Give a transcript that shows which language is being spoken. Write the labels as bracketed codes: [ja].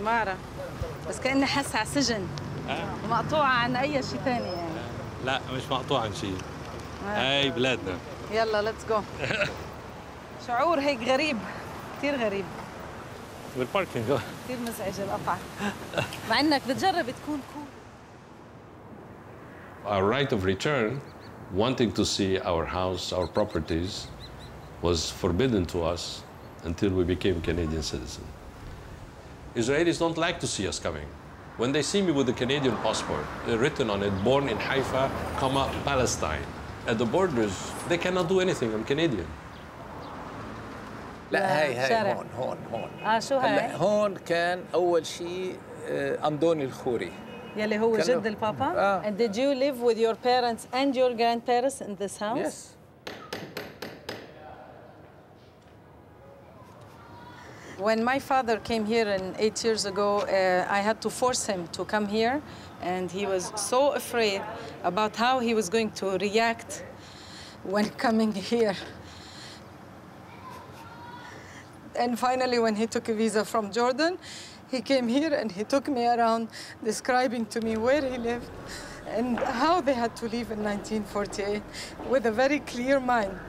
[ar] ما اعرف بس كاني حاسه على سجن مقطوعه عن اي شيء ثاني يعني لا مش مقطوعه عن شيء هاي بلادنا يلا [en] let's go [ar] شعور هيك غريب كثير غريب بالباركينج كثير مزعج القطعه مع انك بتجرب تكون cool [en] Our right of return, wanting to see our house, our properties, was forbidden to us until we became Canadian citizens. Israelis don't like to see us coming. When they see me with a Canadian passport, written on it, born in Haifa, comma, Palestine, at the borders, they cannot do anything. I'm Canadian. [ar] لا هاي هاي هون هون هون. آه شو هاي؟ هون كان أول شيء أمدوني الخوري. يلي هو جد البابا [en] and did you live with your parents and your grandparents in this house yes when my father came here in 8 years ago I had to force him to come here and he was so afraid about how he was going to react when coming here and finally when he took a visa from Jordan He came here and he took me around describing to me where he lived and how they had to leave in 1948 with a very clear mind.